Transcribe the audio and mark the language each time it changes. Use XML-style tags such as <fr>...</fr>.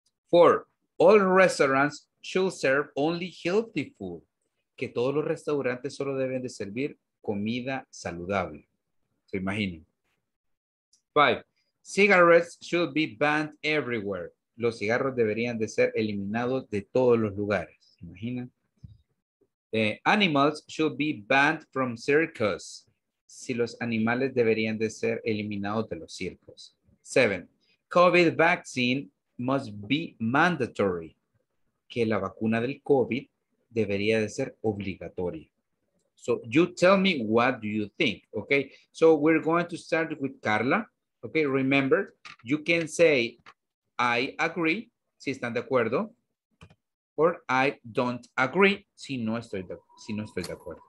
<en>Four, all restaurants should serve only healthy food.</en> <es>Que todos los restaurantes solo deben de servir comida saludable. Se imaginan.</es> <en>Five, cigarettes should be banned everywhere.</en> <es>Los cigarros deberían de ser eliminados de todos los lugares. ¿Se imaginan?</es> <en>Animals should be banned from circus.</en> <es>Si los animales deberían de ser eliminados de los circos. 7.</es> <en>COVID vaccine must be mandatory.</en> <es>Que la vacuna del COVID debería de ser obligatoria.</es> <en>So you tell me what do you think. Okay. So we're going to start with Carla. Okay, remember, you can say, I agree,</en> <es>si están de acuerdo,</es> <en>or I don't agree,</en> <es>si no estoy de acuerdo.</es>